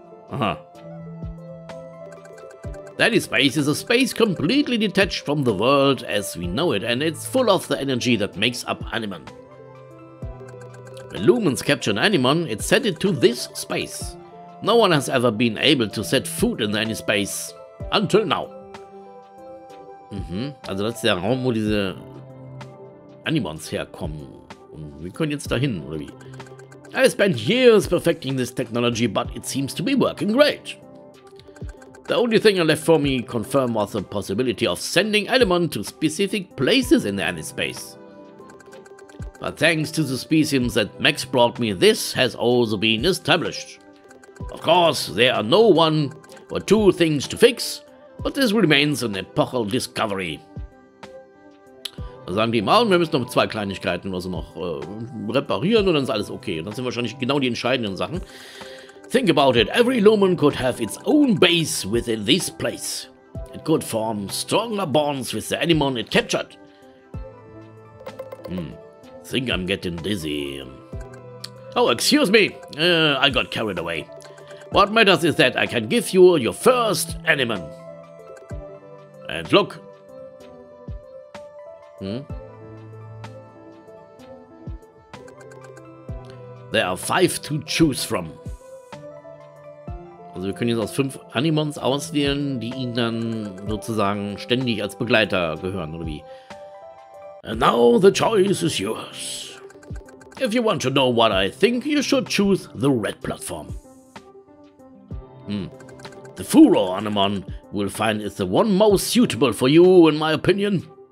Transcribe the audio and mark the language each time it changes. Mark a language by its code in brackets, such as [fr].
[en] The Anyspace is a space completely detached from the world as we know it, and it's full of the energy that makes up Animon. When Lumens capture an Animon, it sent it to this space. No one has ever been able to set food in the Anyspace. Until now. [de] Also das ist der Raum, wo diese Animons herkommen. Und wir können jetzt dahin, oder wie? [en] I spent years perfecting this technology, but it seems to be working great. The only thing left for me to confirm was the possibility of sending Animon to specific places in the Anyspace. But thanks to the species that Max brought me, this has also been established. Of course, there are no one or two things to fix, but this remains an epochal discovery. [de] Da sagen die mal, wir müssen noch zwei Kleinigkeiten oder so noch reparieren und dann ist alles okay. Und das sind wahrscheinlich genau die entscheidenden Sachen. [en] Think about it, every Lumen could have its own base within this place. It could form stronger bonds with the Animon it captured. Think I'm getting dizzy. Oh, excuse me, I got carried away. What matters is that I can give you your first Animon. And look. There are 5 to choose from. [de] Also wir können jetzt aus 5 Animons auswählen, die ihnen dann sozusagen ständig als Begleiter gehören, oder wie? [en] And now the choice is yours. If you want to know what I think, you should choose the red platform. The Furor Animon will find is the one most suitable for you, in my opinion.